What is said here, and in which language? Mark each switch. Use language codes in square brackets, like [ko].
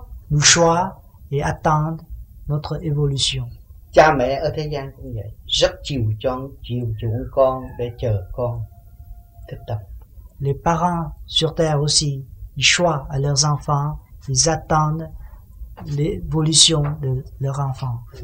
[fr] nous choisit et attend notre évolution. [vi] Cha mẹ ở thế gian cũng vậy, rất chiều chuộng con để chờ con thức tập. [fr] Les parents sur terre aussi, ils choisissent à leurs enfants, ils attendent l'évolution de leurs enfants.